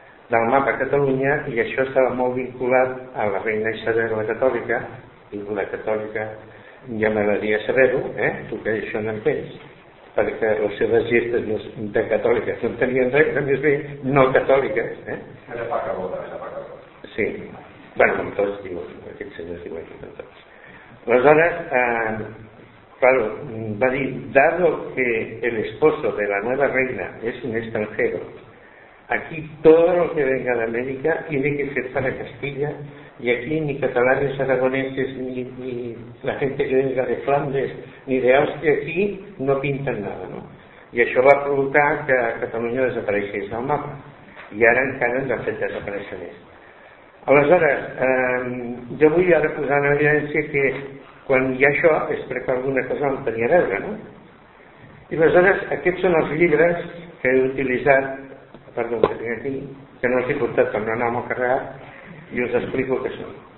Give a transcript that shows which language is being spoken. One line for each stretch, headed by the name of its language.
Catalan: del mapa Catalunya, i això estava molt vinculat a la reina Isabel la Catòlica, i la Catòlica ja m'agradaria saber-ho, tu que això no en tens, perquè les seves gestes de catòliques no tenien res, però més bé no catòliques. Sí. Bé, com tots diuen, aquests senyors diuen que són tots. Aleshores, claro, va dir,
Spanish: dado que el esposo de la nueva reina es un extranjero, aquí todo lo que venga de América tiene que ser para Castilla, y aquí ni catalanes, aragoneses, ni la gente que venga de Flandes, ni de Austria, aquí no pintan nada, ¿no?
Catalan: Y això va provocar que Catalunya desapareixés del mapa, i ara encara ens ha fet desaparèixer més. Aleshores, jo vull ara posar en evidència que quan hi ha això és perquè alguna cosa no tenia a veure, no? I aleshores, aquests són els llibres que he utilitzat, perdó, que tinc aquí, que no els he portat per no anar molt carregat, i us explico què són.